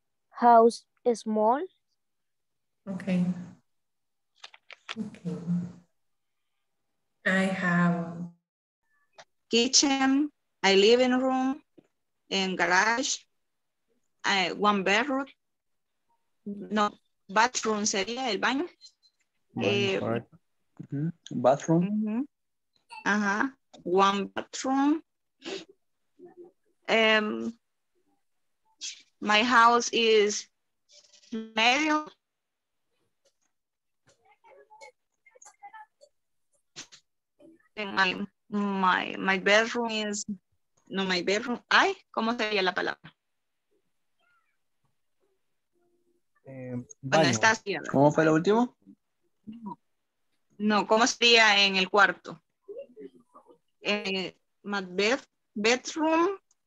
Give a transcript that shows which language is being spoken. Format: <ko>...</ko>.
<en>House is small. Okay. Okay. I have kitchen, a living room, and garage, one bedroom.</en> <es>No, bathroom sería el baño.</es> <en>Bathroom. One bathroom. My house is medium. And my bedroom is no my bedroom.</en> <es>Ay, ¿cómo sería la palabra? Bueno, está así, ¿no? ¿Cómo fue lo último? No, ¿cómo sería en el cuarto?</es> <en>My bedroom</en>